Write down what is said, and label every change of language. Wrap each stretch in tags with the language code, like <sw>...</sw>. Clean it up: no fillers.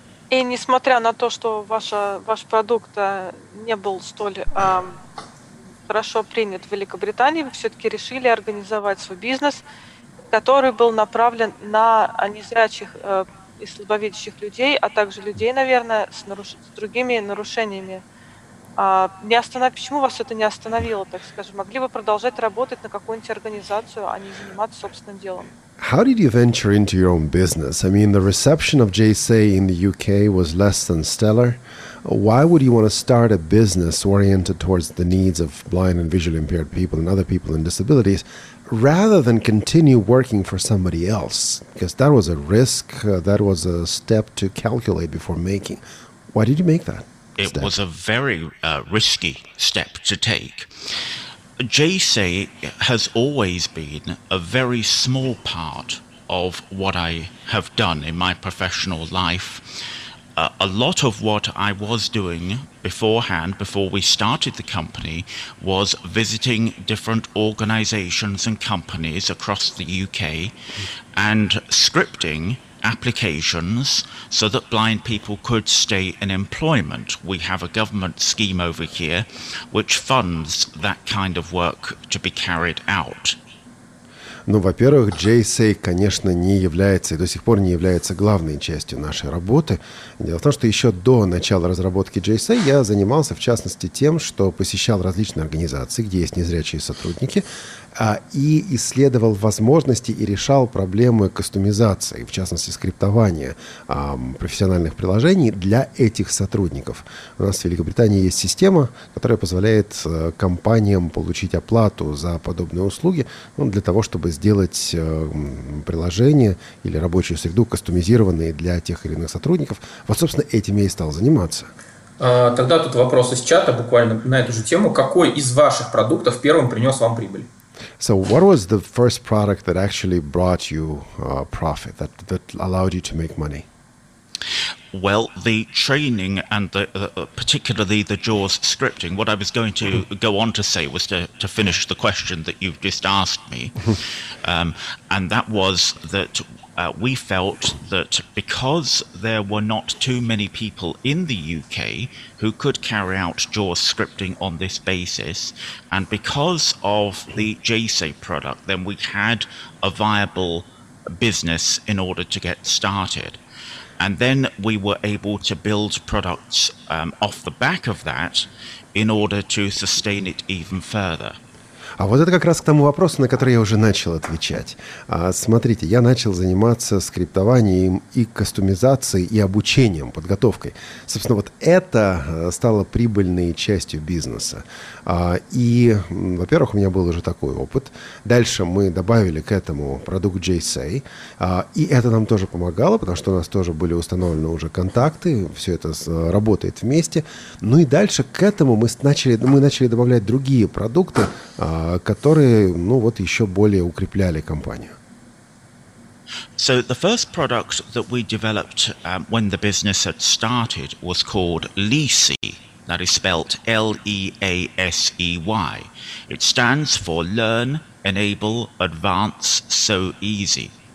<ru>И несмотря на то, что ваш продукт не был столь хорошо принят в Великобритании, вы все-таки решили организовать свой бизнес, который был направлен на незрячих и слабовидящих людей, а также людей, наверное, с другими нарушениями. Почему вас это не остановило, так скажем? Могли бы продолжать работать на какую-нибудь организацию, а не заниматься собственным делом?</ru> <en>How did you venture into your own business? I mean, the reception of JSA in the UK was less than stellar. Why would you want to start a business oriented towards the needs of blind and visually impaired people and other people in disabilities rather than continue working for somebody else? Because that was a risk, that was a step to calculate before making. Why did you make that? It was a very risky step to take. JSA has always been a very small part of what I have done in my professional life. A lot of what I was doing beforehand, before we started the company, was visiting different organizations and companies across the UK and scripting applications so that blind people could stay in employment. We have a government scheme over here which funds that kind of work to be carried out.</en> <ru>Ну, во-первых, JSA, конечно, не является и до сих пор не является главной частью нашей работы. Дело в том, что еще до начала разработки JSA я занимался, в частности, тем, что посещал различные организации, где есть незрячие сотрудники, и исследовал возможности и решал проблемы кастомизации, в частности, скриптования профессиональных приложений для этих сотрудников. У нас в Великобритании есть система, которая позволяет компаниям получить оплату за подобные услуги, ну, для того, чтобы сделать приложение или рабочую среду кастомизированной для тех или иных сотрудников. Вот, собственно, этим я и стал заниматься. Тогда тут вопрос из чата буквально на эту же тему. Какой из ваших продуктов первым принес вам прибыль?</ru> <en>So what was the first product that actually brought you profit, that allowed you to make money? Well, the training and particularly the JAWS scripting, what I was going to go on to say was to finish the question that you've just asked me, and that was that we felt that because there were not too many people in the UK who could carry out JAWS scripting on this basis, and because of the JSA product, then we had a viable business in order to get started. And then we were able to build products off the back of that in order to sustain it even further.</en> <ru>А вот это как раз к тому вопросу, на который я уже начал отвечать. Смотрите, я начал заниматься скриптованием и кастомизацией, и обучением, подготовкой. Собственно, вот это стало прибыльной частью бизнеса. И, во-первых, у меня был уже такой опыт. Дальше мы добавили к этому продукт JSA. И это нам тоже помогало, потому что у нас тоже были установлены уже контакты. Все это работает вместе. Ну и дальше к этому мы начали добавлять другие продукты, которые, ну вот, еще более укрепляли компанию.</ru> <en>So the first product that we developed when the business had started was called Leasy. That is spelled L-E-A-S-E-Y. It stands for Learn, Enable, Advance, So Easy.</en>